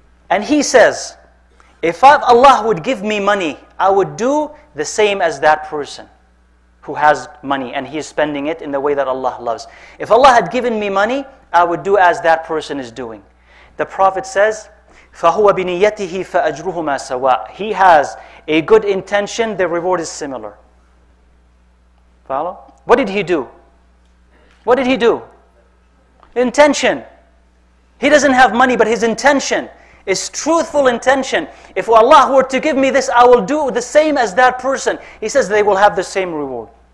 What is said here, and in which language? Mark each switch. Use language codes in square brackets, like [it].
[en] And he says, if Allah would give me money, I would do the same as that person who has money and he is spending it in the way that Allah loves. If Allah had given me money, I would do as that person is doing. The Prophet says, [ar] فَهُوَ بِنِيَّتِهِ فَأَجْرُهُمَا سَوَاءٌ. [en] He has a good intention, the reward is similar. Follow? What did he do? What did he do? Intention. He doesn't have money, but his intention is truthful intention. If Allah were to give me this, I will do the same as that person. He says they will have the same reward.